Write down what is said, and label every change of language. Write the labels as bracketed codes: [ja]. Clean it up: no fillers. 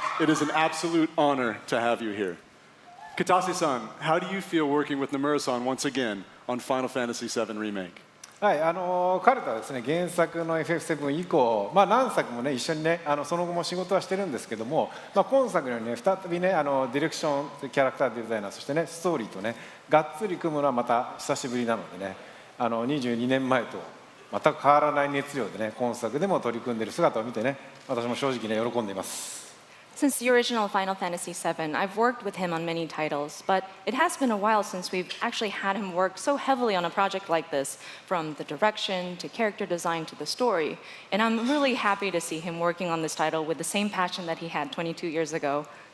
[en] It is an absolute honor to have you here. Katase-san, how do you feel working with Nomura-san once again on Final Fantasy VII Remake? [ja] はい、彼とはですね、原作の FF7 以降、まあ、何作も、ね、一緒に、ね、その後も仕事はしてるんですけども、まあ、今作のように、ね、再び、ね、ディレクションキャラクターデザイナーそして、ね、ストーリーと、ね、がっつり組むのはまた久しぶりなので、ね、22年前と全く変わらない熱量で、ね、今作でも取り組んでいる姿を見て、ね、私も正直、ね、喜んでいます。 [en] Since the original Final Fantasy VII, I've worked with him on many titles, but it has been a while since we've actually had him work so heavily on a project like this, from the direction to character design to the story, and I'm really happy to see him working on this title with the same passion that he had 22 years ago.